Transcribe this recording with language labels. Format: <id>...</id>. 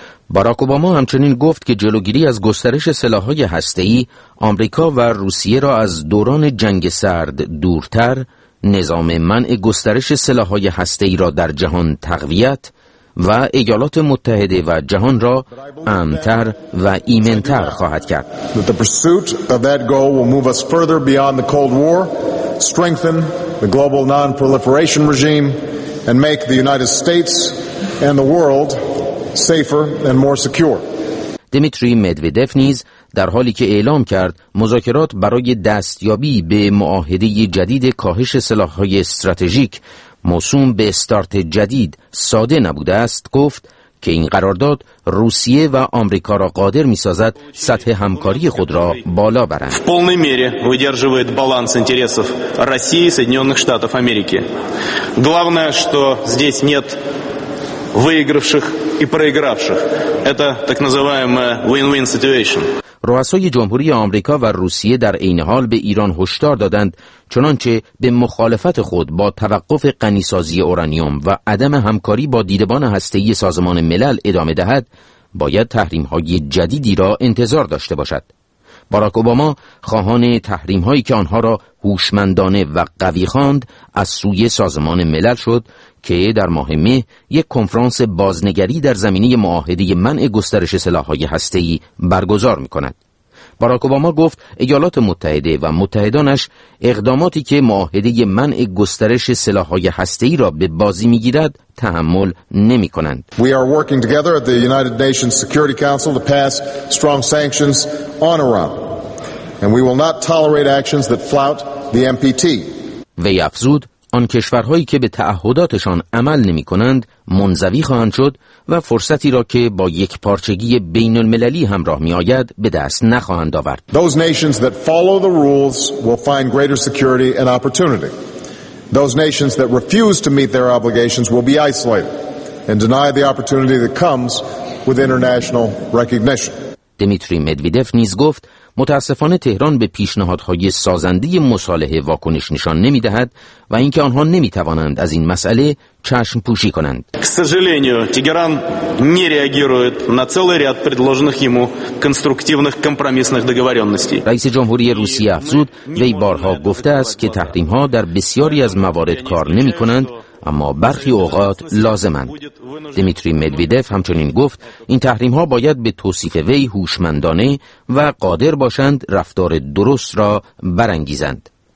<fa>باراک اوباما همچنین گفت که جلوگیری از گسترش سلاح‌های هسته‌ای آمریکا و روسیه را از دوران جنگ سرد دورتر، نظام منع گسترش سلاح‌های هسته‌ای را در جهان تقویت و ایالات متحده و جهان را امن‌تر و ایمن‌تر خواهد کرد.</fa> <en>The pursuit of that goal will move us further beyond the Cold War, strengthen the global non-proliferation regime and make the United States and the world safer and more secure.</en> <fa>دیمیتری مدودف نیز در حالی که اعلام کرد مذاکرات برای دستیابی به معاهده جدید کاهش سلاح‌های استراتژیک موسوم به استارت جدید ساده نبوده است، گفت که این قرارداد روسیه و آمریکا را قادر می‌سازد سطح همکاری خود را بالا برند.</fa> <ru>В полной мере выдерживает баланс интересов России и Соединённых Штатов Америки. Главное, что здесь нет выигравших и проигравших. Это так называемая</ru> <en>win-win situation.</en> <fa>رؤسای جمهوری آمریکا و روسیه در عین حال به ایران هشدار دادند چنانچه به مخالفت خود با توقف غنی‌سازی اورانیوم و عدم همکاری با دیدبان هسته‌ای سازمان ملل ادامه دهد، باید تحریم‌های جدیدی را انتظار داشته باشد. باراک اوباما خواهان تحریم‌هایی که آنها را هوشمندانه و قوی خواند از سوی سازمان ملل شد که در ماه مه یک کنفرانس بازنگری در زمینه معاهده منع گسترش سلاح‌های هسته‌ای برگزار می‌کند. باراک اوباما گفت ایالات متحده و متحدانش اقداماتی که معاهده منع گسترش سلاح‌های هسته‌ای را به بازی می‌گیرد تحمل نمی‌کنند.</fa> <en>We are working together at the United Nations Security Council to pass strong sanctions on Iran and we will not tolerate actions that flout the NPT.</en> <fa>وی افزود آن کشورهایی که به تعهداتشان عمل نمی کنند منزوی خواهند شد و فرصتی را که با یک پارچگی بین المللی همراه می آید به دست نخواهند آورد.</fa> <en>Those nations that follow the rules will find greater security and opportunity. Those nations that refuse to meet their obligations will be isolated and denied the opportunity that comes with international recognition.</en> <fa>دیمیتری مدودف نیز گفت متاسفانه تهران به پیشنهادهای سازنده مصالحه واکنش نشان نمی‌دهد و اینکه آنها نمی‌توانند از این مسئله چشم پوشی کنند.</fa> <ru>К сожалению, Тегеран не реагирует на целый ряд предложенных ему конструктивных компромиссных договорённостей.</ru> <fa>رئیس جمهوری روسیه افزود وی بارها گفته است که تحریم‌ها در بسیاری از موارد کار نمی‌کنند، اما برخی اوقات لازمند. دیمیتری مدودف همچنین گفت این تحریم ها باید به توصیف وی هوشمندانه و قادر باشند رفتار درست را برانگیزند.</fa>